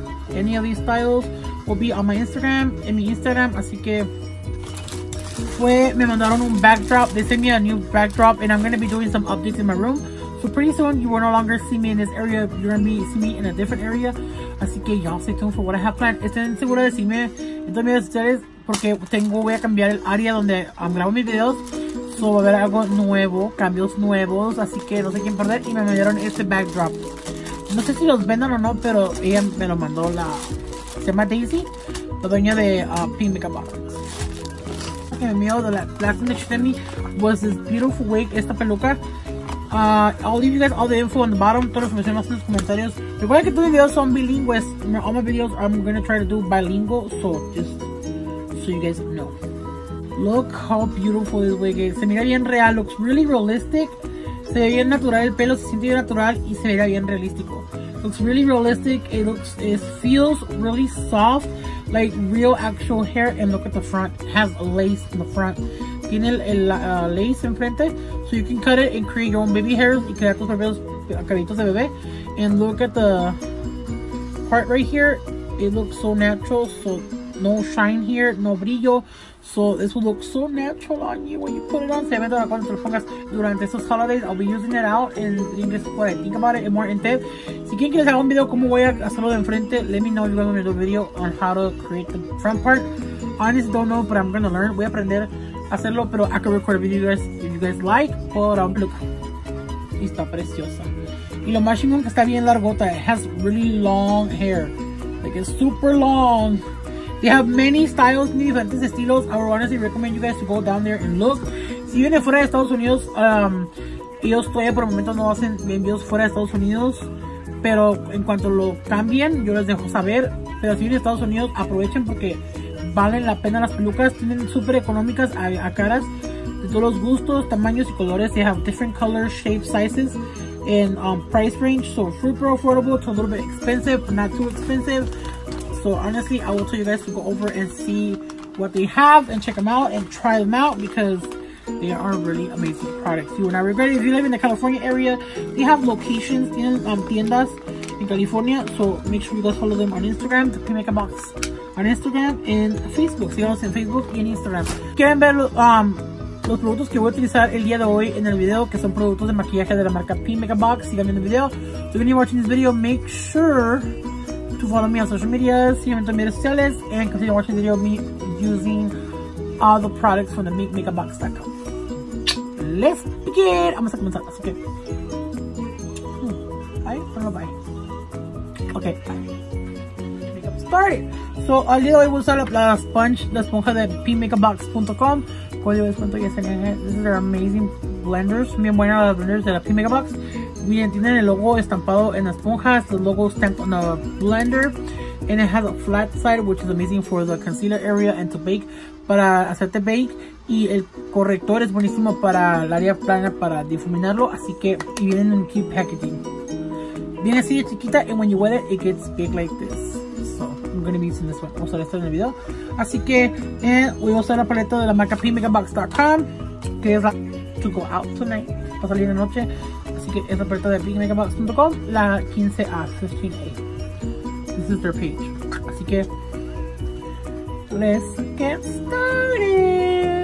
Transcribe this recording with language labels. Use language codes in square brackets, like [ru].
[en] Any of these styles will be on my Instagram, [es] en mi Instagram, así que fue, me mandaron un backdrop, [en] they sent me a new backdrop, and I'm going to be doing some updates in my room, so pretty soon you will no longer see me in this area, you're going to see me in a different area, [es] así que [en] y'all stay tuned for what I have planned. [es] Estén seguros de decirme, entonces ustedes, porque tengo, voy a cambiar el área donde grabo mis videos, so va a haber algo nuevo, cambios nuevos, así que no sé quién perder, y me mandaron este backdrop. No sé si los vendan o no, pero ella me lo mandó la... Se llama Daisy, la dueña de ThePinkMakeupBox. Lo que me envió de la [en] last thing that she sent me was this beautiful wig, [es] esta peluca. [en] I'll leave you guys all the info on the bottom, [es] toda la información más en los comentarios. Recuerda que todos mis videos son bilingües. [en] All my videos I'm gonna try to do bilingual, so just so you guys know. Look how beautiful this wig is. [es] Se mira bien real, [en] looks really realistic. [es] Se ve bien natural el pelo, se siente bien natural y se vea bien realístico. [en] Looks really realistic, it feels really soft, like real actual hair, and look at the front, has lace in the front. [es] Tiene lace enfrente, [en] so you can cut it and create your own baby hairs [es] y crear tus propios cabellitos de bebé. [en] And look at the part right here, it looks so natural, so no shine here, [es] no brillo. [en] So this will look so natural on you when you put it on. [es] Se ve todo cuando te lo pongas durante esos [en] holidays. I'll be using it out and you just what I think about it and more in depth. [es] Si quieren que les haga un video como voy a hacerlo de enfrente, [en] let me know if you guys want me to do a video on how to create the front part. Honestly, don't know, but I'm gonna learn. [es] Voy a aprender a hacerlo, pero [en] I can record a video guys if you guys like. Hold on, look. [es] Y está preciosa. Y lo más chingón que está bien largota. [en] It has really long hair. Like it's super long. They have many styles, many [es] diferentes estilos. [en] I would honestly recommend you guys to go down there and look. [es] Si vienen fuera de Estados Unidos, ellos todavía por el momento no hacen envíos fuera de Estados Unidos. Pero en cuanto lo cambien, yo les dejo saber. Pero si vienen de Estados Unidos, aprovechen porque valen la pena las pelucas. Tienen súper económicas a caras. De todos los gustos, tamaños y colores. [en] They have different colors, shapes, sizes. And price range, so super affordable to a little bit expensive, but not too expensive. So honestly, I will tell you guys to go over and see what they have and check them out and try them out because they are really amazing products. You will not regret it. If you live in the California area, they have locations in tiendas in California. So make sure you guys follow them on Instagram, the Pink Makeup Box on Instagram and Facebook. See us on Facebook and Instagram. [es] Quieren ver los productos que voy a utilizar el día de hoy en el video, que son productos de maquillaje de la marca Pink Makeup Box. Sigan viendo el video. [en] So when you're watching this video, make sure to follow me on social media, [es] sigan en todas mis redes sociales, [en] and continue watching the video of me using all the products from the makeupbox.com. Let's begin. [es] Vamos a comenzar. [en] Okay. Bye. Okay. Makeup started. [es] So al día de hoy voy a usar la esponja de pinkmakeupbox.com. [en] This is their amazing blenders. [es] Bien buena la blenders de la Pink Makeup Box. Miren, tienen el logo estampado en la esponja. [en] It's the logo stamped on the blender. And it has a flat side, which is amazing for the concealer area and to bake. [es] Para hacerte bake. Y el corrector es buenísimo para el área plana, para difuminarlo. Así que, y vienen en key packaging. Viene así de chiquita. [en] And when you wet it, it gets big like this. I'm going to be using this one. [es] Vamos a ver esto en el video. Así que, voy a usar la paleta de la marca PinkMakeupBox.com, que es la [en] to go out tonight, [es] para salir de noche. Así que es la paleta de PinkMakeupBox.com, la 15A, 15A. [en] This is their page. Así que, let's get started.